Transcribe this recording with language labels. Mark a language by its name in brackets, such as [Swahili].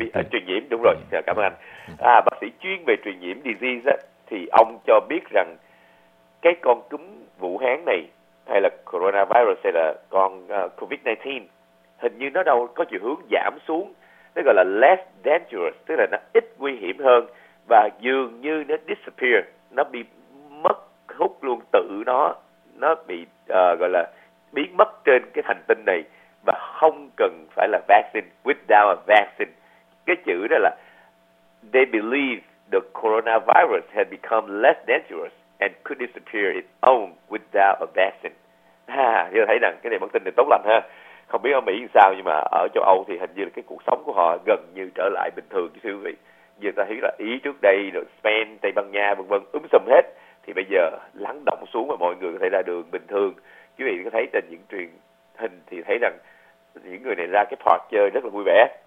[Vietnamese] truyền nhiễm, đúng rồi, cảm ơn anh. Bác sĩ chuyên về truyền nhiễm disease thì ông cho biết rằng cái con cúm Vũ Hán này, hay là coronavirus, hay là con COVID-19, hình như nó đâu có chiều hướng giảm xuống, nó gọi là [English] less dangerous, [Vietnamese] tức là nó ít nguy hiểm hơn, và dường như nó disappear, nó bị mất hút luôn, tự nó bị gọi là biến mất trên cái hành tinh này, và không cần phải là vaccine, [English] without a vaccine. [Vietnamese] Cái chữ đó là [English] they believe the coronavirus had become less dangerous and could disappear its own without a vaccine. [Vietnamese] Tôi thấy rằng cái này bản tin này tốt lành ha. Không biết ở Mỹ sao, nhưng mà ở châu Âu thì hình như là cái cuộc sống của họ gần như trở lại bình thường, chứ thưa quý vị. Giờ ta thấy là Ý trước đây, rồi Spain, Tây Ban Nha, vân vân, sùm hết. Thì bây giờ lắng động xuống và mọi người có thể ra đường bình thường. Quý vị có thấy trên những truyền hình thì thấy rằng những người này ra cái park chơi rất là vui vẻ.